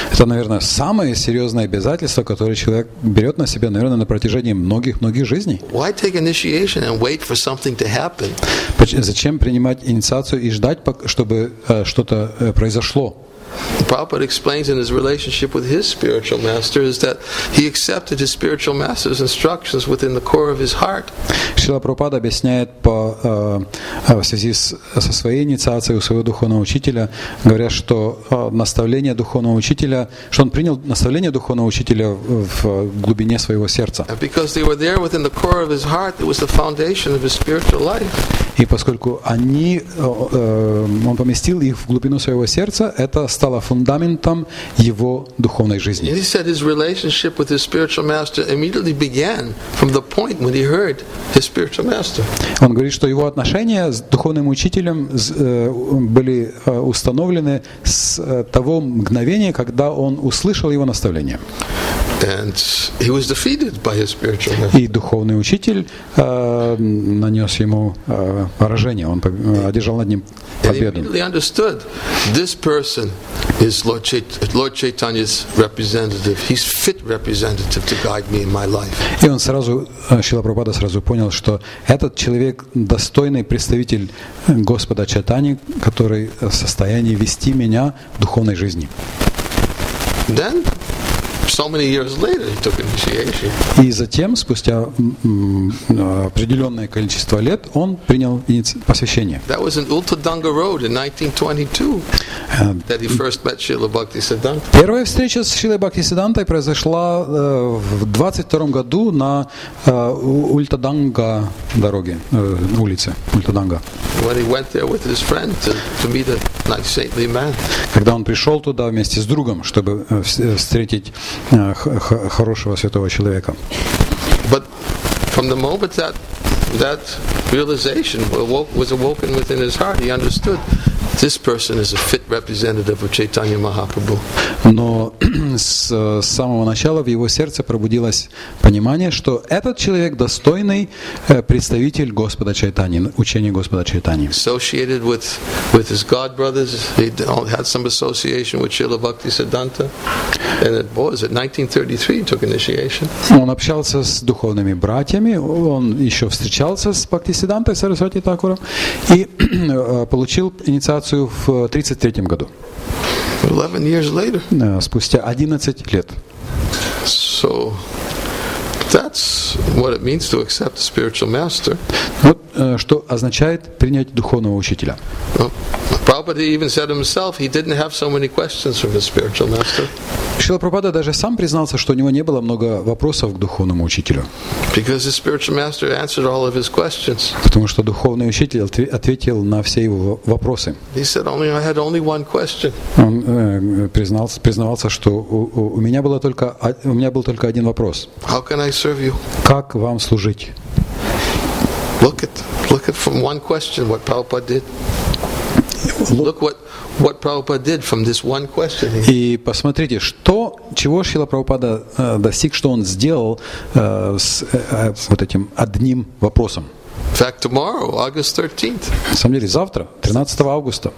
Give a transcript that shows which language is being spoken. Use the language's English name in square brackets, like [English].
[Russian] Это, наверное, самое серьезное обязательство, которое человек берет на себя, наверное, на протяжении многих-многих жизней. [English] Why take initiation and wait for something to happen? [Russian] Зачем принимать инициацию и ждать, чтобы что-то произошло? [English] Prabhupada explains in his relationship with his spiritual master is that he accepted his spiritual master's instructions within the core of his heart. [Russian] Шрила Прабхупада объясняет по в связи со своей инициацией у своего духовного учителя, говоря, что наставление духовного учителя, что он принял наставление духовного учителя в глубине своего сердца. [English] Because they were there within the core of his heart, it was the foundation of his spiritual life. [Russian] И поскольку они, он поместил их в глубину своего сердца, это стало фундаментом его духовной жизни. [English] He said his relationship with his spiritual master immediately began from the point when he heard his spiritual master. [Russian] Он говорит, что его отношения с духовным учителем были установлены с того мгновения, когда он услышал его наставление. [English] And he was defeated by his spiritual master. [Russian] И духовный учитель нанес ему поражение. Он одержал над ним победу. [English] And he immediately understood this person is Lord Chaitanya's representative. He's fit representative to guide me in my life. [Russian] И он сразу Шрила Прабхупада сразу понял, что этот человек достойный представитель Господа Чайтани, который в состоянии вести меня в духовной жизни. [English] Then. So many years later, he took initiation. [Russian] И затем, спустя определенное количество лет, он принял посвящение. [English] That was in Ultadanga Road in 1922 that he first met Srila Bhaktisiddhanta. [Russian] Первая встреча с Шрилой Бхактисиддхантой произошла в 22-м году на Ультаданга дороге, улице Ультаданга. [English] When he went there with his friend to meet a nice saintly man. [Russian] Когда он пришел туда вместе с другом, чтобы встретить хорошего святого человека. [English] But from the moment that realization was awoken within his heart, he understood this person is a fit representative of Chaitanya Mahaprabhu. [Russian] Но с самого начала в его сердце пробудилось понимание, что этот человек достойный представитель Господа Чайтани, учения Господа Чайтани. [English] Associated with his god brothers, he had some association with Srila Bhaktisiddhanta, and it was at 1933 he took initiation. [Russian] Он общался с духовными братьями, он еще встречался с Бхактисиддхантой Сарасвати Такуром и получил инициацию в 1933 году. [English] 11 years later. [Russian] Спустя 11 лет. [English] So that's what it means to accept a spiritual master. [Russian] Вот что означает принять духовного учителя. [English] Prabhupada even said himself he didn't have so many questions from his spiritual master. [Russian] Шрила Прабхупада даже сам признался, что у него не было много вопросов к духовному учителю. [English] Because his spiritual master answered all of his questions. [Russian] Потому что духовный учитель ответил на все его вопросы. [English] He said only I had only one question. [Russian] Он признавался, что у меня был только один вопрос. [English] How can I serve you? [Russian] Как вам служить? [English] Look at from one question what Prabhupada did. Look what Prabhupada did from this one question. [Russian] И посмотрите, чего Шрила Прабхупада достиг, что он сделал с вот этим одним вопросом. [English] In fact, tomorrow, August 13th. [Russian] На самом деле, завтра, 13 августа.